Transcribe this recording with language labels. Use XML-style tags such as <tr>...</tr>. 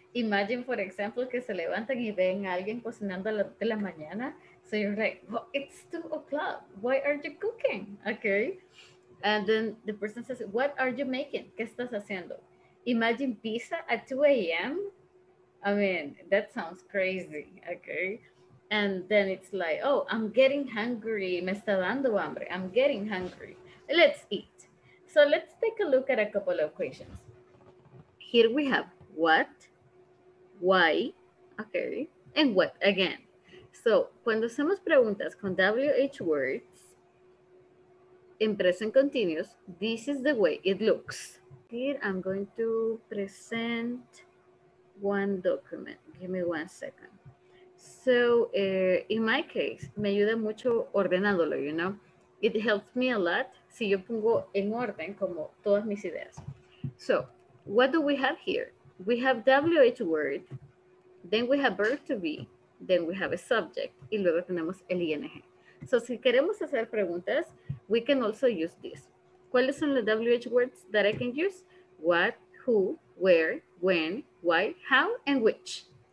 <en>Imagine, for example,</en> <es>que se levantan y ven a alguien cocinando a la, de la mañana.</es> <en>So you're like, well, it's 2 o'clock. Why aren't you cooking? Okay. And then the person says, what are you making?</en> <es>¿Qué estás haciendo?</es> <en>Imagine pizza at 2 a.m. I mean, that sounds crazy. Okay. And then it's like, oh, I'm getting hungry.</en> <es>Me está dando hambre.</es> <en>I'm getting hungry. Let's eat. So let's take a look at a couple of questions. Here we have what, why, okay, and what again. So,</en> <es>cuando hacemos preguntas con</es> <en>WH words, in present continuous, this is the way it looks. Here, I'm going to present one document. Give me 1 second. So, in my case,</en> <es>me ayuda mucho ordenándolo,</es> <en>you know? It helps me a lot</en> <es>si yo pongo en orden como todas mis ideas.</es> <en>So, what do we have here? We have WH word, then we have verb to be, then we have a subject,</en> <es>y luego tenemos el ING.</es> <en>So</en> <es>si queremos hacer preguntas,</es> <en>we can also use this.</en> <es>¿Cuáles son los</es> <en>WH words that I can use? What, who, where, when, why, how, and which.</en>